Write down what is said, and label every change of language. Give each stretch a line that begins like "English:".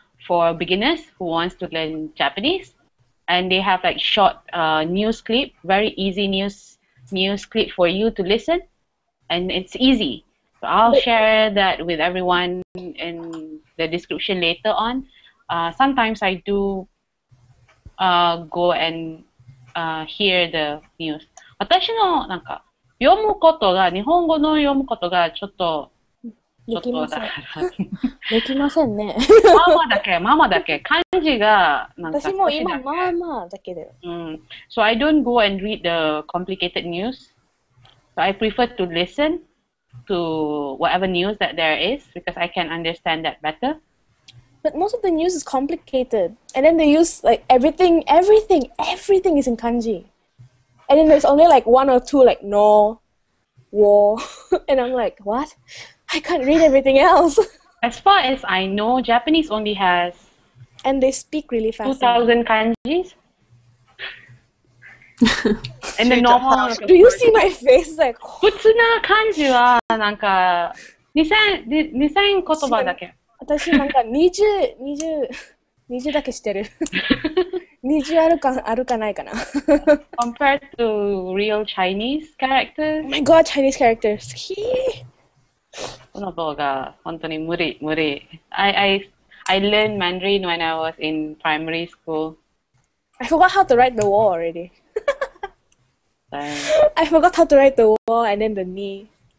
English: For beginners who wants to learn Japanese, and they have like short news clip, very easy news clip for you to listen, and it's easy. So I'll share that with everyone in the description later on. Sometimes I do go and hear the news.
Japanese: 私のなんか読むことが日本語の読むことがちょっとできませんね。ママだけ。漢字がなんか私も今まあまあだけで。
English: So I don't go and read the complicated news. So I prefer to listen to whatever news that there is because I can understand that better. But most of the news is complicated, and then they use like everything is in kanji, and then there's only like one or two like no, wo, and I'm like what? I can't read everything else. As far as I know, Japanese only has... And they speak really fast. 2,000 kanjis. And the normal... Do you see my face? Like...
Japanese: 普通な漢字はなんか2000言葉だけ。私なんか20だけしてる。 20あるかないかな。
English: Compared to real Chinese characters? Oh my god, Chinese characters.
Japanese: その方が本当に無理無理。
English: I learned Mandarin when I was in primary school. I forgot how to write the wall already. I forgot how to write the wall and then the knee.